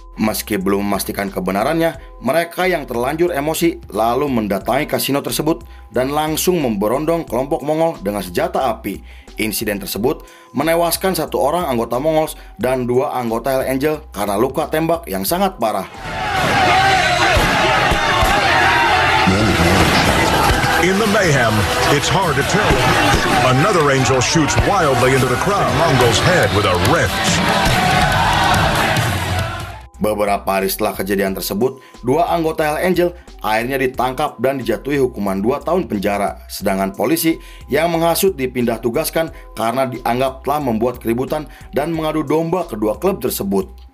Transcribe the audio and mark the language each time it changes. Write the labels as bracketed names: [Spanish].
[Indonesian] Meski belum memastikan kebenarannya, mereka yang terlanjur emosi lalu mendatangi kasino tersebut dan langsung memberondong kelompok Mongol dengan senjata api. Insiden tersebut menewaskan satu orang anggota Mongols dan dua anggota Hell Angel karena luka tembak yang sangat parah. [English] In the mayhem, it's hard to tell. Another angel shoots wildly into the crowd. Mongol's head with a wrench. [Indonesian] Beberapa hari setelah kejadian tersebut, dua anggota Hell Angel akhirnya ditangkap dan dijatuhi hukuman 2 tahun penjara. Sedangkan polisi yang menghasut dipindah tugaskan karena dianggap telah membuat keributan dan mengadu domba kedua klub tersebut.